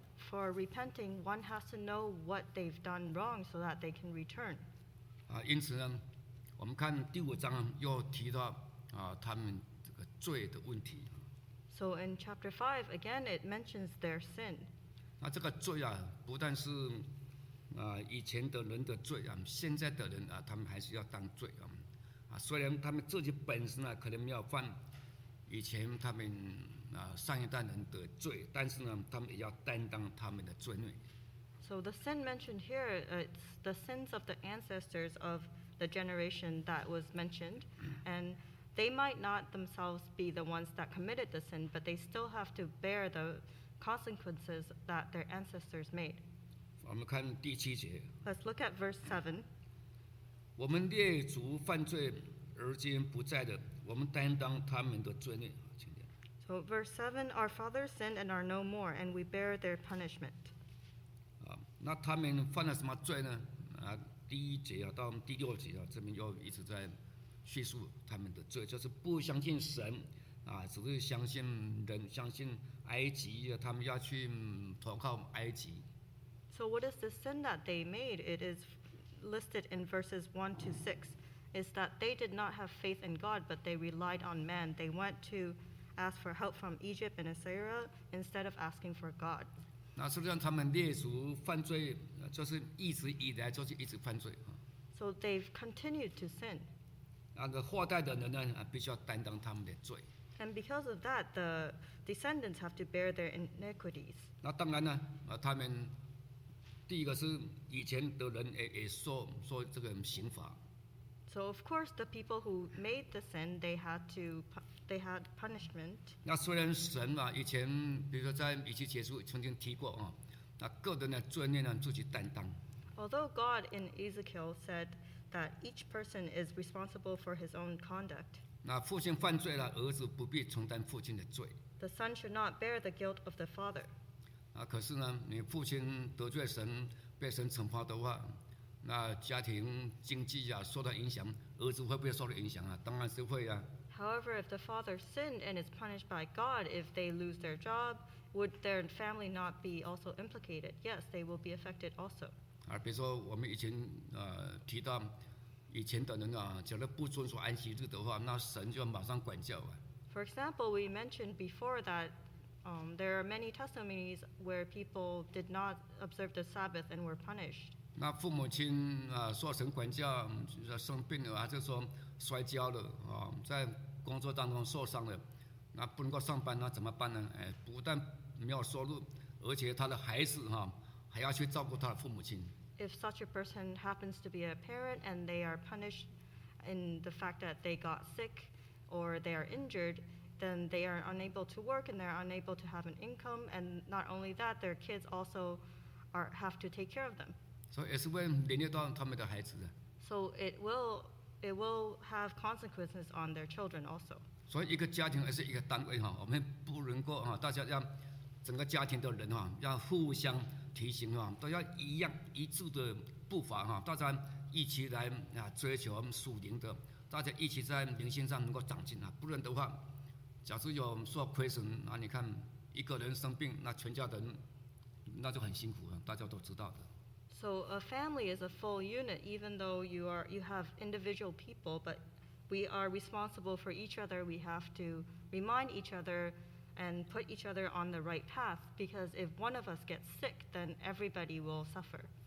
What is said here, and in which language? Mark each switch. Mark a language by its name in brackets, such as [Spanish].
[English] For repenting, one has to know what they've done wrong so that they can return. [Chinese] 因此呢，我们看第五章又提到他们这个罪的问题。 [English] So in chapter 5, again, it mentions their sin. [Chinese] 那这个罪啊，不但是以前的人的罪啊，现在的人啊，他们还是要当罪啊。虽然他们自己本身呢，可能没有犯以前他们上一代人的罪，但是呢，他们也要担当他们的罪孽。 [English] So the sin mentioned here, it's the sins of the ancestors of the generation that was mentioned, and they might not themselves be the ones that committed the sin, but they still have to bear the consequences that their ancestors made. [Chinese] 我们看第七节。 [English] Let's look at verse 7. [Chinese] 我们列祖犯罪，而今不在的，我们担当他们的罪孽。请讲。 [English] So verse 7, our fathers sinned and are no more, and we bear their punishment. [Chinese] 那他们犯了什么罪呢？第一节到第六节这边又一直在叙述他们的罪，就是不相信神只是相信人，相信埃及，他们要去投靠埃及。 [English] So what is the sin that they made? It is listed in verses 1 to 6. Is that they did not have faith in God, but they relied on man. They went to ask for help from Egypt and Assyria instead of asking for God. [Chinese] 那实际上他们列祖犯罪，就是一直以来就是一直犯罪。 [English] So they've continued to sin. [Chinese] 那个后代的人呢，必须要担当他们的罪。 [English] And because of that, the descendants have to bear their iniquities. [Chinese] 那当然呢，他们第一个是以前的人也受这个刑罚。 [English] So of course, the people who made the sin, they had punishment. [Chinese] 那虽然神啊，以前比如说在以西结书曾经提过那个人的罪孽呢自己担当。 [English] Although God in Ezekiel said that each person is responsible for his own conduct. [Chinese] 那父亲犯罪了，儿子不必承担父亲的罪。 [English] The son should not bear the guilt of the father. [Chinese] 可是呢，你父亲得罪神，被神惩罚的话。那家庭经济啊受到影响，儿子会不会受到影响啊？当然是会啊。 [English] However, if the father sinned and is punished by God, if they lose their job, would their family not be also implicated? Yes, they will be affected also. [Chinese] 比如说我们以前提到以前的人假如不遵守安息日的话，那神就马上管教啊。 [English] For example, we mentioned before that there are many testimonies where people did not observe the Sabbath and were punished. [Chinese] 那父母亲受神管教，就是生病了，就是说摔跤了在工作当中受伤了，那不能够上班，那怎么办呢？不但没有收入，而且他的孩子还要去照顾他的父母亲。 [English] If such a person happens to be a parent and they are punished in the fact that they got sick or they are injured, then they are unable to work and they are unable to have an income. And not only that, their kids also have to take care of them. [Chinese] 所以也是会连累到他们的孩子的。 [English] So it will have consequences on their children also. [Chinese] 所以一个家庭也是一个单位我们不能够大家要整个家庭的人要互相提醒都要一样一致的步伐大家一起来追求属灵的，大家一起在灵性上能够长进不然的话，假如有受亏损，那你看一个人生病，那全家人那就很辛苦大家都知道的。 [English] So a family is a full unit, even though you have individual people, but we are responsible for each other. We have to remind each other and put each other on the right path, because if one of us gets sick, then everybody will suffer.